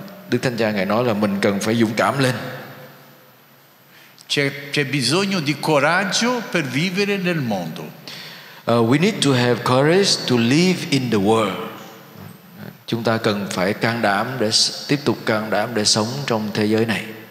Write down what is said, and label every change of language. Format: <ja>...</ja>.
<vi>Đức Thánh Cha ngài nói là mình cần phải dũng cảm lên.</vi> <it>C'è bisogno di coraggio per vivere nel mondo.</it> <en>We need to have courage to live in the world.</en> <vi>Chúng ta cần phải can đảm để tiếp tục can đảm để sống trong thế giới này.</vi>